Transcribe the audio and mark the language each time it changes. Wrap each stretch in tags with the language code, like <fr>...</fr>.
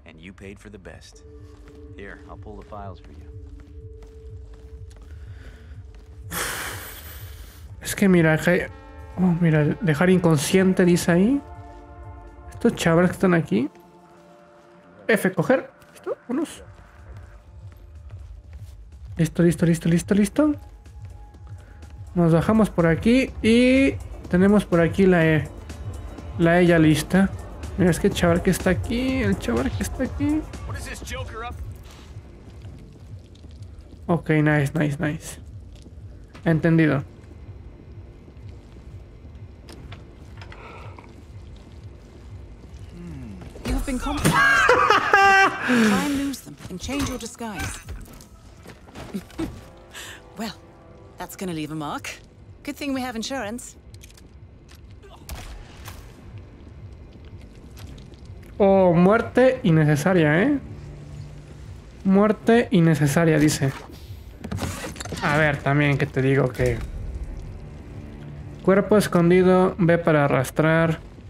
<en>And you paid for the best. Here, I'll pull the files for you.</en> <es>Es que mira, mira, dejar inconsciente, dice ahí. Estos chavales que están aquí. F, coger. Listo, vámonos. Listo, listo, listo, listo, listo. Nos bajamos por aquí y tenemos por aquí la E. La E ya lista. Mira, es que el chaval que está aquí, el chaval que está aquí.</es> <en>Ok, nice, nice, nice.</en> <es>Entendido.</es> <en>Try and lose them and change your disguise. Well, that's gonna leave a mark. Good thing we have insurance.</en> <es>Oh, muerte innecesaria, ¿eh? Muerte innecesaria, dice. A ver, también que te digo que... Cuerpo escondido, ve para arrastrar.</es>